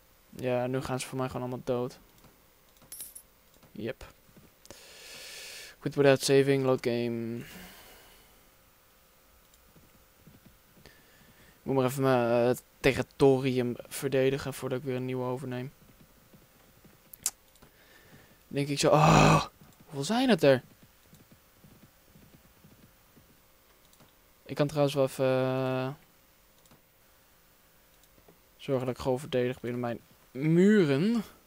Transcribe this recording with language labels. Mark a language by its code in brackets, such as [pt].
[nl] Ja, nu gaan ze voor mij gewoon allemaal dood. [en] Yep. Quit without saving, load game. [nl] Ik moet maar even mijn territorium verdedigen voordat ik weer een nieuwe overneem. Denk ik zo, oh, hoeveel zijn het er? Ik kan trouwens wel even zorgen dat ik gewoon verdedig binnen mijn muren.